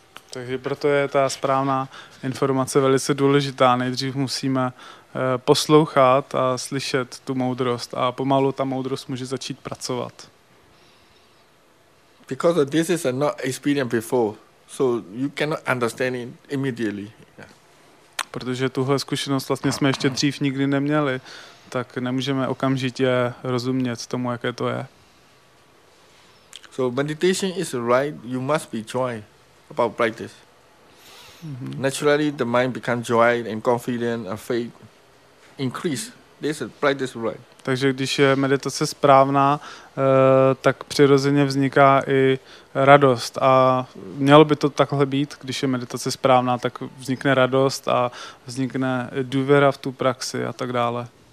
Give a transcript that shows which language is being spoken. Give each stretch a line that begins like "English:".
Czech: Takže proto je ta správná informace velice důležitá. Nejdřív musíme poslouchat a slyšet tu moudrost a pomalu ta moudrost může začít pracovat.
English: Because of this is not experienced before, so you cannot understand it immediately. Yeah.
Czech: Protože tuhle zkušenost vlastně jsme ještě dřív nikdy neměli, tak nemůžeme okamžitě rozumět tomu, jaké to je.
English: So meditation is right, you must be joy about practice. Mm-hmm. Naturally the mind becomes joy and confident and faith increase. This is practice right.
Czech: Takže když je meditace správná, tak přirozeně vzniká i radost. A mělo by to takhle být, když je meditace správná, tak vznikne radost a vznikne důvěra v tu praxi a tak dále.